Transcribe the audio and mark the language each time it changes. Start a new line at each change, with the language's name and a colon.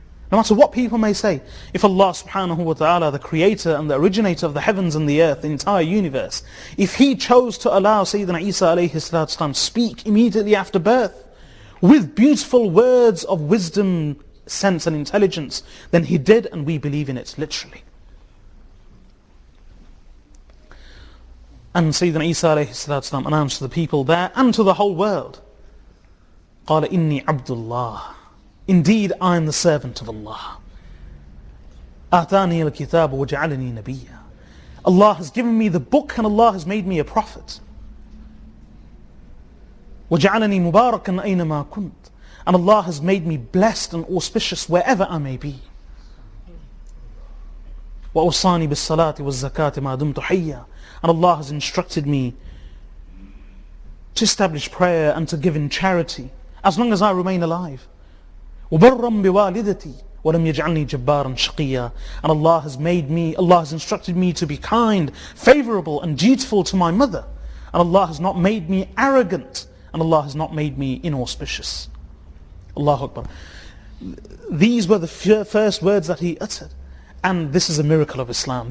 English: No matter what people may say, if Allah subhanahu wa ta'ala, the creator and the originator of the heavens and the earth, the entire universe, if he chose to allow Sayyidina Isa alayhi salatu wasalam speak immediately after birth, with beautiful words of wisdom, sense and intelligence, then he did, and we believe in it literally. And Sayyidina Isa alayhi salatu wasalam announced to the people there and to the whole world
Arabic: قال إني عبد الله.
English: Indeed, I am the servant of Allah.
Arabic: آتاني الكتاب وجعلني نبيا.
English: Allah has given me the book and Allah has made me a prophet.
Arabic: وجعلني مباركا أينما كنت.
English: And Allah has made me blessed and auspicious wherever I may be.
Arabic: وأوصاني بالصلاة والزكاة ما دمت حيا.
English: And Allah has instructed me to establish prayer and to give in charity as long as I remain alive.
Arabic: وبرّا بوالدتي ولم يجعلني جبارا شقيا.
English: And Allah has made me, Allah has instructed me to be kind, favorable and dutiful to my mother. And Allah has not made me arrogant. And Allah has not made me inauspicious. Allahu Akbar. These were the first words that he uttered. And this is a miracle of Islam.